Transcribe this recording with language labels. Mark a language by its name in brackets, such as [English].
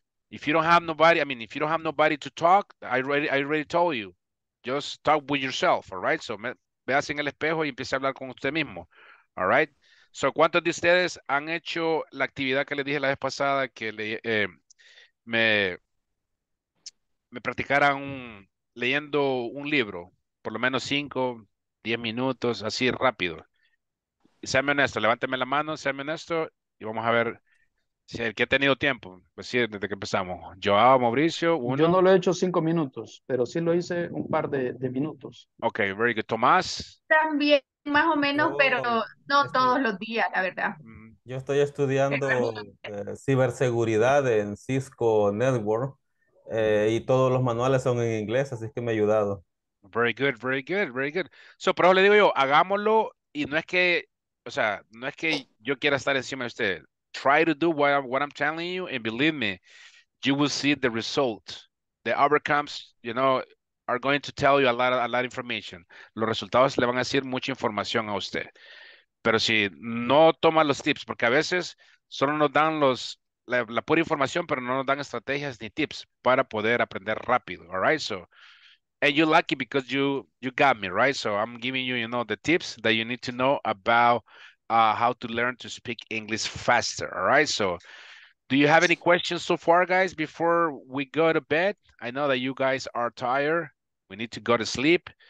[English] If you don't have nobody, I mean, if you don't have nobody to talk, I already told you, just talk with yourself, all right? [Spanish] So, veas en el espejo y empiece a hablar con usted mismo, [English] all right? [Spanish] So, ¿cuántos de ustedes han hecho la actividad que les dije la vez pasada, que le, me practicaran leyendo un libro, por lo menos 5-10 minutos, así rápido? Séame honesto, levánteme la mano, séame honesto, y vamos a ver si el que ha tenido tiempo, pues sí, desde que empezamos. Joao, Mauricio, uno. Yo no lo he hecho 5 minutos, pero sí lo hice un par de minutos. [English] Ok, very good. Tomás. [Spanish] También, más o menos, pero no todos los días, la verdad. Yo estoy estudiando ciberseguridad en Cisco Network, y todos los manuales son en inglés, así que me ha ayudado. [English] Very good, very good, very good. [Spanish] So, pero le digo yo, hagámoslo, y no es que, o sea, no es que yo quiera estar encima de usted. [English] Try to do what I'm telling you, and believe me, you will see the result. The outcomes, you know, are going to tell you a lot of information. [Spanish] Los resultados le van a decir mucha información a usted. Pero si no toma los tips, porque a veces solo nos dan la pura información, pero no nos dan estrategias ni tips para poder aprender rápido, [English] all right? So, and you're lucky because you got me, right? So I'm giving you, you know, the tips that you need to know about how to learn to speak English faster, all right? So do you have any questions so far, guys, before we go to bed? I know that you guys are tired. We need to go to sleep.